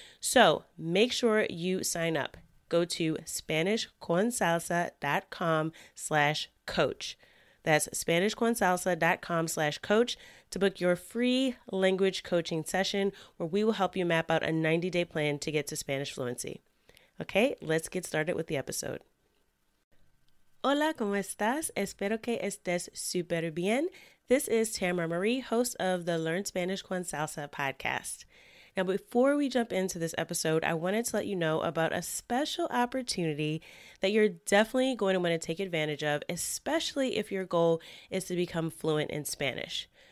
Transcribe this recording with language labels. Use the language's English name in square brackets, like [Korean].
[English] So make sure you sign up. Go to SpanishConSalsa.com/coach. That's SpanishConSalsa.com/coach to book your free language coaching session where we will help you map out a 90-day plan to get to Spanish fluency. Okay, let's get started with the episode. [Spanish] Hola, ¿cómo estás? Espero que estés súper bien. [English] This is Tamara Marie, host of the Learn Spanish con Salsa podcast. Now, before we jump into this episode, I wanted to let you know about a special opportunity that you're definitely going to want to take advantage of, especially if your goal is to become fluent in Spanish.